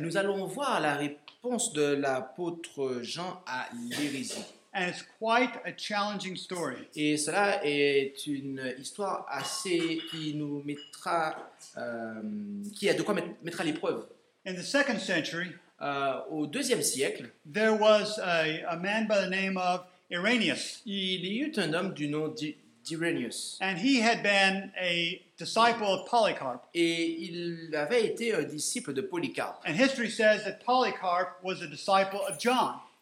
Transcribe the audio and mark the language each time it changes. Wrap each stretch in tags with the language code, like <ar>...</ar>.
<fr>Nous allons voir la réponse de l'apôtre Jean à l'hérésie.</fr> <en>And it's quite a challenging story.</en> <fr>Et cela est une histoire assez qui nous mettra, qui a de quoi mettre à l'épreuve.</fr> <en>In the second century.</en> <fr>Au deuxième siècle,</fr> <en>there was a man by the name of Irenaeus.</en> <fr>Il y eut un homme du nom d'Irenaeus.</fr> <en>And he had been a disciple of Polycarp.</en> <fr>Et il avait été un disciple de Polycarp.</fr> <en>And history says that Polycarp was a disciple of John.</en>